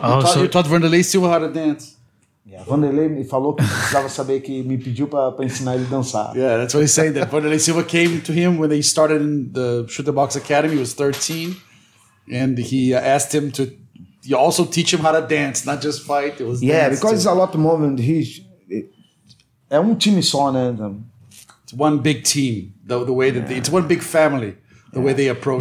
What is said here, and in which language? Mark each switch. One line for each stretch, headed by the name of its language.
English: Oh, you taught Vanderlei Silva how to dance.
Portuguese: Yeah, Vanderlei me falou que precisava saber que me pediu para ensinar ele a dançar.
English: Yeah, that's what he's saying. That Vanderlei Silva came to him when they started in the Chute Box Academy. He was 13, and he asked him to also teach him how to dance, not just fight. It was yeah, dance because too. It's a lot of movement. He's
Portuguese: é time só, né?
English: It's one big team. The way that it's one big family. The way they approach.